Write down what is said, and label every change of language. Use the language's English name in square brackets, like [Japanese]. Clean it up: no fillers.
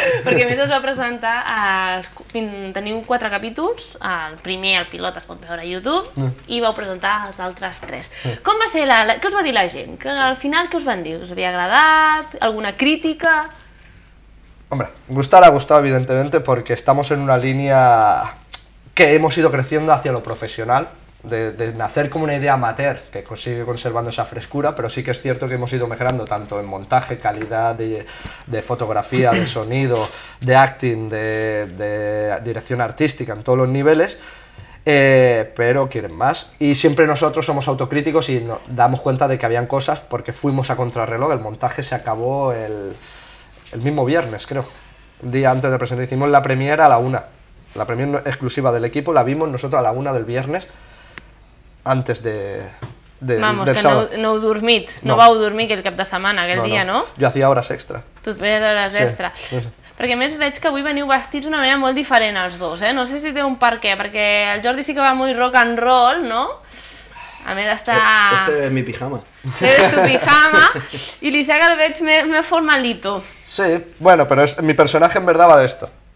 [Spanish] Porque a mí se va a presentar, [Catalan] teniu 4 capítols, el primer, el pilot, es pot veure a YouTube, i vau presentar els altres 3. Com va ser, què us va dir la gent? Que al final, què us van dir? Us havia agradat? Alguna crítica? [Spanish] Hombre, gustar ha gustado evidentemente porque estamos en una línea que hemos ido creciendo hacia lo profesional, de nacer como una idea amateur que sigue conservando esa frescura, pero sí que es cierto que hemos ido mejorando tanto en montaje, calidad de fotografía, de sonido, de acting, de dirección artística, en todos los niveles. Pero quieren más y siempre nosotros somos autocríticos y nos damos cuenta de que habían cosas porque fuimos a contrarreloj, el montaje se acabó el mismo viernes, creo, el día antes de presentar, hicimos la premiere a la 1, la premiere exclusiva del equipo la vimos nosotros a la 1 del viernes antes de vamos, del sábado. [Catalan] Vamos, que no heu dormit, no vau dormir aquell cap de setmana, aquell dia, no? [Spanish] Jo hacía horas extra. [Catalan] Tu feies horas sí. Extra. Sí. Perquè a més veig que avui veniu vestits d'una manera molt diferent els dos, eh? No sé si té un perquè, perquè el Jordi sí que va molt rock and roll, no? A més està... [Spanish] Este es mi pijama. Este es tu pijama. [Catalan] I l'Isaac el veig més formalito. [Spanish] Sí, bueno, pero mi personaje en verdad va de esto.